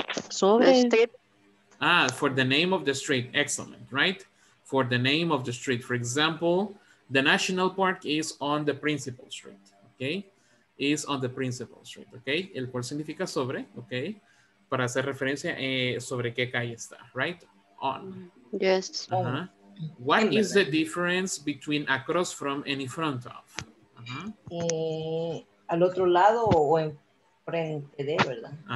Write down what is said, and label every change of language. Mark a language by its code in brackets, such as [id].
[es] Sobre. [en] Ah, for the name of the street, excellent, right? For the name of the street, for example, the National Park is on the principal street, okay? Is on the principal street, okay? [es] El cual significa sobre, [en] okay? [es] Para hacer referencia sobre qué calle está, right? [en] On. Yes. What is the difference between across from and in front of? [es] Al otro lado o en frente de, ¿verdad?